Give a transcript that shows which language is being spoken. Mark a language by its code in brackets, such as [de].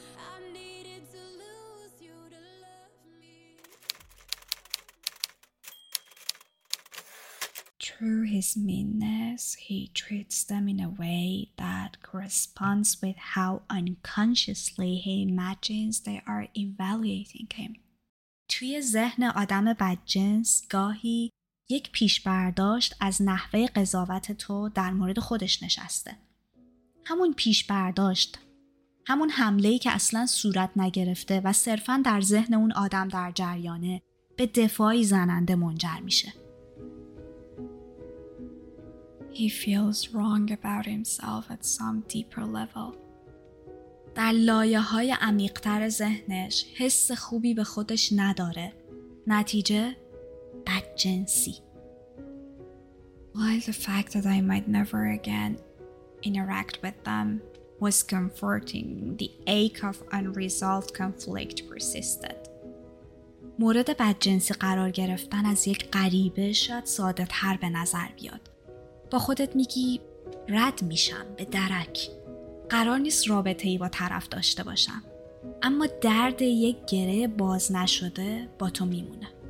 [en] I needed to lose you to love me. True his meanness, he treats them in a way that corresponds with how unconsciously he imagines they are evaluating him. [fa] توی ذهن آدم بدجنس گاهی یک پیشبرداشت از نحوه قضاوت تو در مورد خودش نشسته. همون پیشبرداشت، همون حمله‌ای که اصلاً صورت نگرفته و صرفاً در ذهن اون آدم در جریانه، به دفاعی زننده منجر میشه. [en] He feels wrong about himself at some deeper level. [fa] در لایه‌های عمیق‌تر ذهنش حس خوبی به خودش نداره. نتیجه بدجنسی. [en] While the fact that I might never again interact with them was comforting, the ache of unresolved conflict persisted. [fa] مورد بدجنسی قرار گرفتن از یک غریبه شاید ساده‌تر به نظر بیاد. با خودت میگی رد میشم به درک. قرار نیست رابطه‌ای با طرف داشته باشم، اما درد یک گره باز نشده با تو میمونه.